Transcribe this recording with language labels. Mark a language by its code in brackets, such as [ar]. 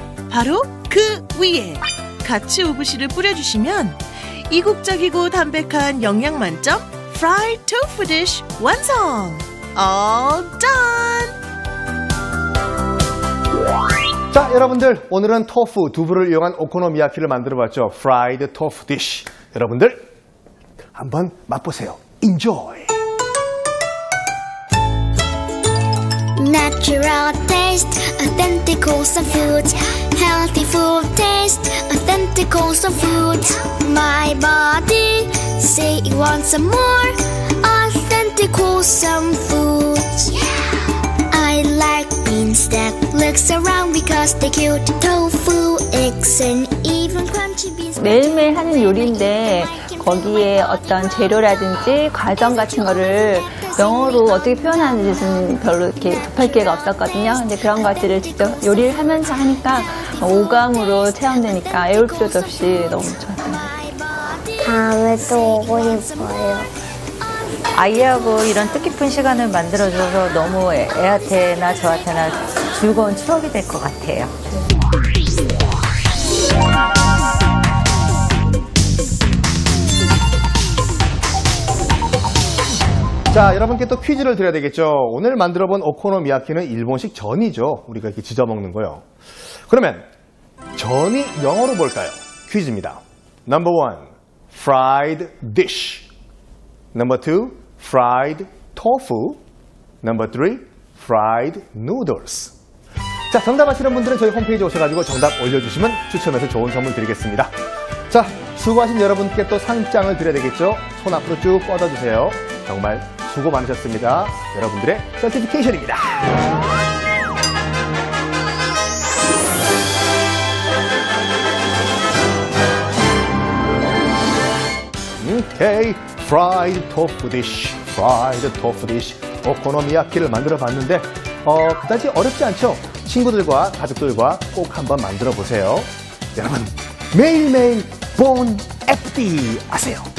[ko] 바로 그 위에 같이 우부시를 뿌려주시면 이국적이고 담백한 영양 만점 프라이드 토프 디쉬 완성! [en] All done! [ko] 자, 여러분들 오늘은 토프, 두부를 이용한 오코노미야키를 만들어봤죠. 프라이드 토프 디쉬. 여러분들 한번 맛보세요. [en] Enjoy! Natural taste, authentic wholesome foods. Healthy food taste, authentic wholesome foods. My body say it wants some more authentic wholesome foods. I like beans that looks around because they cute. Tofu, eggs and even crunchy beans. [ko] 매일매일 하는 요리인데 거기에 어떤 재료라든지 과정 같은 거를 영어로 어떻게 표현하는지 좀 별로 이렇게 접할 기회가 없었거든요. 근데 그런 것들을 직접 요리를 하면서 하니까 오감으로 체험되니까 애울 필요도 없이 너무 좋았던 것 같아요. 다음에 또 오고 싶어요. 아이하고 이런 뜻깊은 시간을 만들어줘서 너무 애한테나 저한테나 즐거운 추억이 될 것 같아요. 자, 여러분께 또 퀴즈를 드려야 되겠죠. 오늘 만들어본 오코노미야키는 일본식 전이죠. 우리가 이렇게 지져 먹는 거요. 그러면 전이 영어로 뭘까요? 퀴즈입니다. [en] Number one, fried dish. Number two, fried tofu. Number three, fried noodles. [ko] 자, 정답 아시는 분들은 저희 홈페이지에 오셔가지고 정답 올려주시면 추첨해서 좋은 선물 드리겠습니다. 자, 수고하신 여러분께 또 상장을 드려야 되겠죠. 손 앞으로 쭉 뻗어주세요. 정말 수고 많으셨습니다. 여러분들의 서티피케이션입니다. [en] 오케이, fried tofu dish, fried tofu dish. [ko] 오코노미야키를 만들어 봤는데 그다지 어렵지 않죠? 친구들과 가족들과 꼭 한번 만들어 보세요. 여러분 매일매일 bon appetit 아세요?